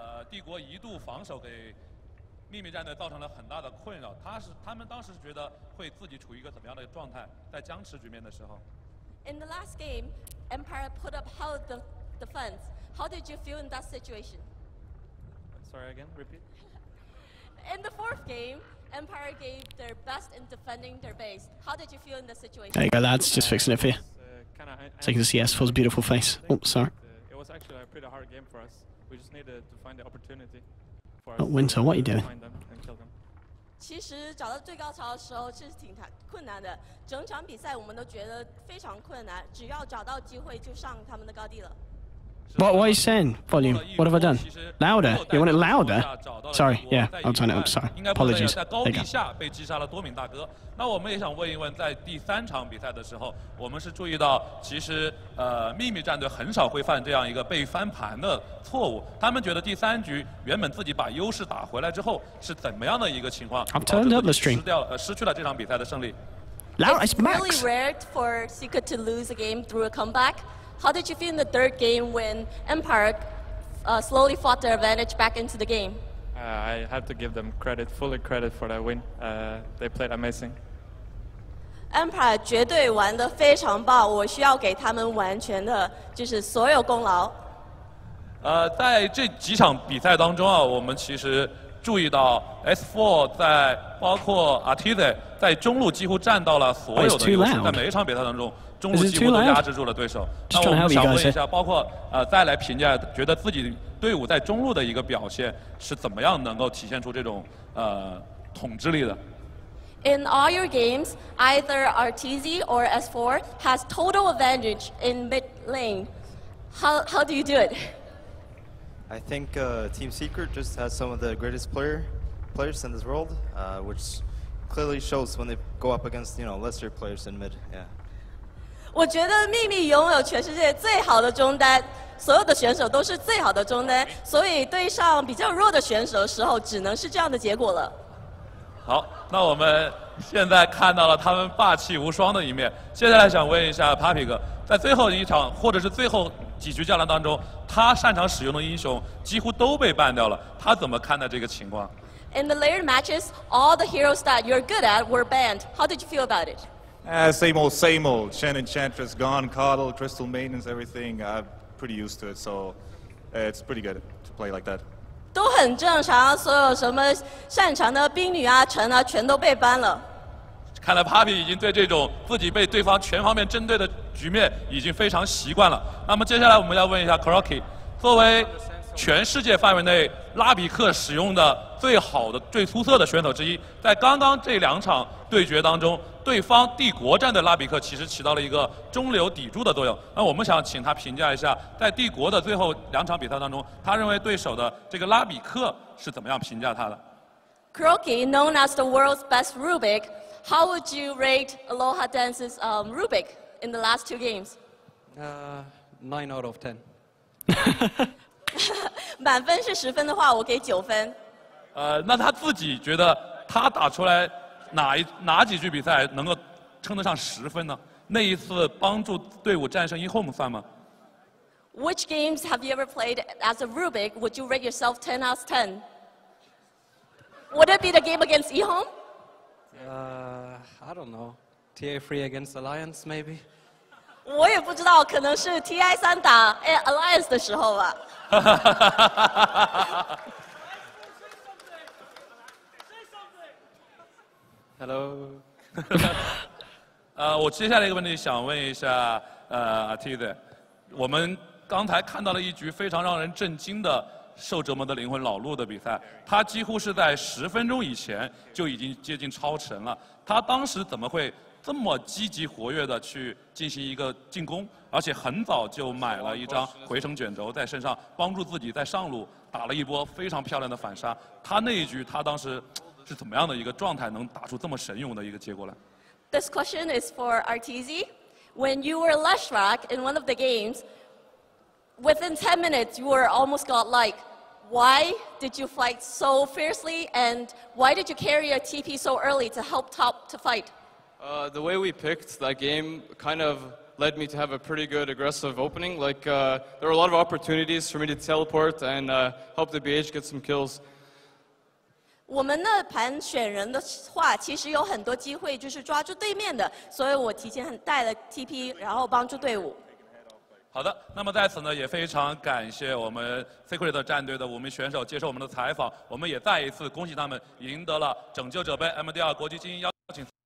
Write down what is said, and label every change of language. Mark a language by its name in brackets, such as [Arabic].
[Chinese] 帝国一度防守给秘密战队造成了很大的困扰，他们当时觉得会自己处于一个怎么样的状态，在僵持局面的时候。 [English] In the last game, Empire put up how the defense. How did you feel in that situation? Sorry again, repeat. In the fourth game, Empire gave their best in defending their base. How did you feel in the situation? There you go, lads, just fixing it for you. Taking the CS4's beautiful face. Oh, sorry. It was actually a pretty hard game for us. We just needed to find the opportunity for us. Oh, Winter, what are you doing? [Chinese] 其实找到最高潮的时候是挺困难的，整场比赛我们都觉得非常困难，只要找到机会就上他们的高地了。 [English] What are you saying? Volume. What have I done? Louder. You want it louder? Sorry. Yeah. I'll turn it up. Sorry. Apologies. [Chinese] 在高地下被击杀了多名大哥。那我们也想问一问，在第三场比赛的时候，我们是注意到，其实秘密战队很少会犯这样一个被翻盘的错误。他们觉得第三局原本自己把优势打回来之后是怎么样的一个情况，导致自己失去了这场比赛的胜利 [English] ？It's really rare for Secret to lose a game through a comeback. How did you feel in the third game when Empire slowly fought their advantage back into the game? I have to give them credit, fully credit for that win. They played amazing. [Chinese] Empire 绝对玩得非常棒，我需要给他们完全的，就是所有功劳。在这几场比赛当中啊，我们其实注意到 S4 在包括 Artize 在中路几乎占到了所有的优势，在每一场比赛当中，中路几乎都压制住了对手。那我们想问一下，包括再来评价，觉得自己。队伍在中路的一个表现是怎么样能够体现出这种统治力的 [English] ？In all your games, either Artizi or S4 has total advantage in mid lane. How do you do it? I think Team Secret just has some of the greatest players in this world, which clearly shows when they go up against you know lesser players in mid. Yeah. [Chinese] 我觉得秘密拥有全世界最好的中单。所有的选手都是最好的中单，所以对上比较弱的选手的时候，只能是这样的结果了。好，那我们现在看到了他们霸气无双的一面。接下来想问一下 Papi 哥，在最后一场或者是最后几局较量当中，他擅长使用的英雄几乎都被ban掉了，他怎么看待这个情况 [English] ？In the later matches, all the heroes that you're good at were banned. How did you feel about it? Same old, same old. Shen Enchantress gone, Caudle, Crystal Maidens, everything. Pretty used to it, so it's pretty good to play like that. [Chinese] 都很正常，所有什么擅长的冰女啊、陈啊，全都被ban了。看来 Papi 已经对这种自己被对方全方面针对的局面已经非常习惯了。那么接下来我们要问一下 Crocky， 作为全世界范围内拉比克使用的最好的、最出色的选手之一，在刚刚这两场对决当中。对方帝国战队拉比克其实起到了一个中流砥柱的作用。那我们想请他评价一下，在帝国的最后两场比赛当中，他认为对手的这个拉比克是怎么样评价他的 [English] ？Crocky, known as the world's best Rubik, how would you rate Aloha Dance's Rubik in the last two games? 9 out of 10. [Chinese] 满分是10分的话，我给9分。那他自己觉得他打出来。哪几局比赛能够称得上十分呢？那一次帮助队伍战胜 eHome 算吗 [English] ？Which games have you ever played as a Rubik? Would you rate yourself 10 out of 10? Would it be the game against eHome? I don't know. TA3 against Alliance maybe. [Chinese] 我也不知道，可能是 TI3 打 Alliance 的时候吧。 [English] Hello， [Chinese] 我接下来一个问题想问一下，Artize， 我们刚才看到了一局非常让人震惊的受折磨的灵魂老陆的比赛，他几乎是在十分钟以前就已经接近超神了。他当时怎么会这么积极活跃的去进行一个进攻，而且很早就买了一张回程卷轴在身上，帮助自己在上路打了一波非常漂亮的反杀。他那一局他当时是怎么样的一个状态，能打出这么神勇的一个结果来？ [English] This question is for Arteezy. When you were Lushrak in one of the games, within 10 minutes you were almost godlike. Why did you fight so fiercely and why did you carry a TP so early to help top to fight? The way we picked that game kind of led me to have a pretty good aggressive opening. Like, there were a lot of opportunities for me to teleport and help the BH get some kills. [Chinese] 我们的盘选人的话其实有很多机会就是抓住对面的，所以我提前很带了 TP 然后帮助队伍。好的，那么在此呢也非常感谢我们 Secret 战队的五名选手接受我们的采访，我们也再一次恭喜他们赢得了拯救者杯 MDR 国际精英邀请。